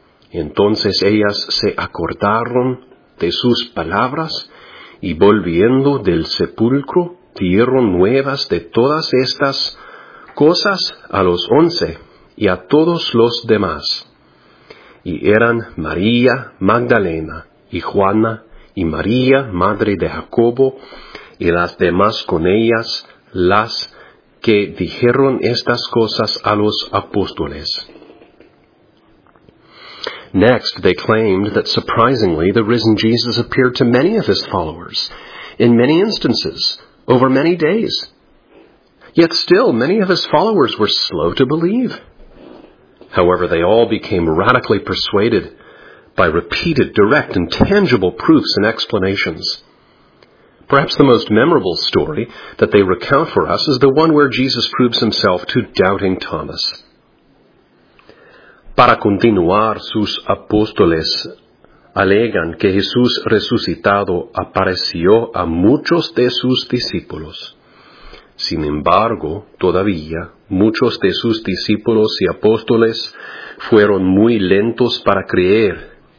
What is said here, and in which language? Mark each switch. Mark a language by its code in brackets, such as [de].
[es] Entonces ellas se acordaron de sus palabras y volviendo del sepulcro dieron nuevas de todas estas cosas a los 11 y a todos los demás. Y eran María Magdalena y Juana y María, madre de Jacobo, y las demás con ellas, las que dijeron estas cosas a los apóstoles. [en] Next, they claimed that surprisingly the risen Jesus appeared to many of his followers, in many instances, over many days. Yet still, many of his followers were slow to believe. However, they all became radically persuaded by repeated, direct, and tangible proofs and explanations. Perhaps the most memorable story that they recount for us is the one where Jesus proves himself to doubting Thomas. [es] Para continuar, sus apóstoles alegan que Jesús resucitado apareció a muchos de sus discípulos. Sin embargo, todavía, muchos de sus discípulos y apóstoles fueron muy lentos para creer.